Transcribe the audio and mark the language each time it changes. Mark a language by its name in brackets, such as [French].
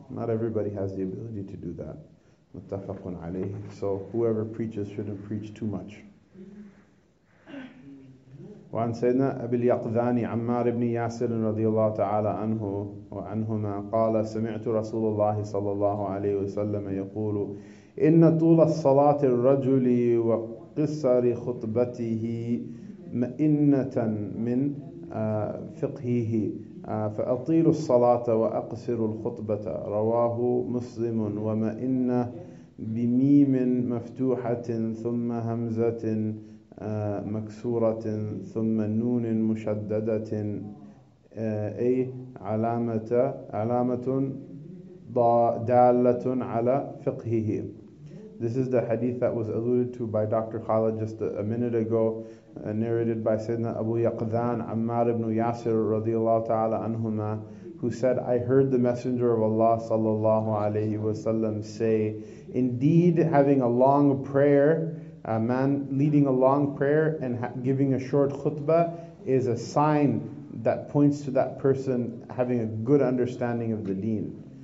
[English] Not everybody has the ability to do that. Muttafaqun alayhi. So whoever preaches shouldn't preach too much. [Arabic] وعن سيدنا أبي اليقظان عمار بن ياسر رضي الله تعالى عنه وعنهما قال سمعت رسول الله صلى الله عليه وسلم يقول إن طول الصلاة الرجل وقصر خطبته مئنة من فقهه فأطيل الصلاة وأقصر الخطبة رواه مسلم ومئنة بميم مفتوحة ثم همزة مكسورة ثم نون مشددة أي علامة دالة على فقهه. [English] This is the hadith that was alluded to by Dr. Khalid just a minute ago, narrated by Sayyidina Abu Yaqdan Ammar ibn Yasir radiallahu ta'ala anhuma, who said, "I heard the Messenger of Allah sallallahu alayhi wasallam say, indeed having a long prayer, a man leading a long prayer and giving a short khutbah is a sign that points to that person having a good understanding of the deen.